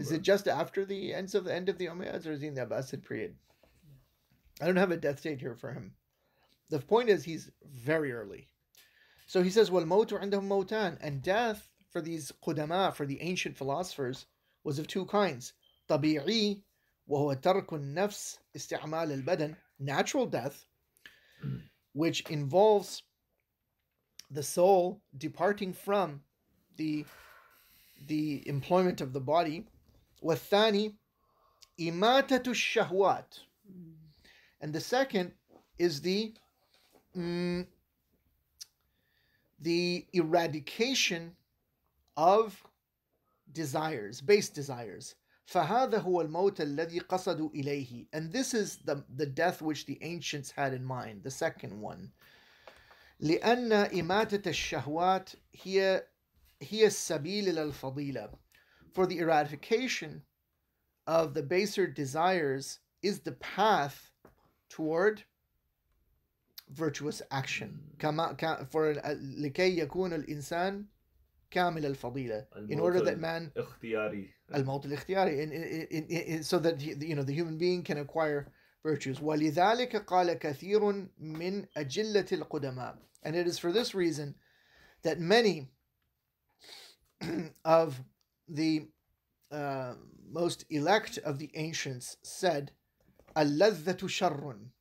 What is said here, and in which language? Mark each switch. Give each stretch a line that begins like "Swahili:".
English: Is it just after the end of the Umayyads, or is he in the Abbasid period? I don't have a death date here for him. The point is, he's very early. So he says,
Arabic: وَالْمَوْتُ عِنْدَهُمْ مَوْتَانِ.
English: And death for these qudama, for the ancient philosophers, was of two kinds.
Arabic: طبيعي وهو ترك النفس استعمال البدن.
English: Natural death, which involves the soul departing from the employment of the body.
Arabic: والثاني إماتة الشهوات.
English: And the second is the eradication of desires, base desires.
Arabic: فَهَذَا هُوَ الْمَوْتَ الَّذِي قَصَدُوا إِلَيْهِ.
English: And this is the death which the ancients had in mind, the second one.
Arabic: لِأَنَّ إِمَاتَةَ الشَّهْوَاتِ هِيَ السَّبِيلِ لَلْفَضِيلَةِ.
English: For the eradication of the baser desires is the path toward virtuous action.
Arabic: For لِكَيْ يَكُونَ الْإِنسَانِ كامل الفضيلة.
English: In order that man
Arabic: الموت الاختياري,
English: so that the human being can acquire virtues.
Arabic: ولذلك قال كثير من أجلة القدماء.
English: And it is for this reason that many of the most elect of the ancients said
Arabic: اللذة شر.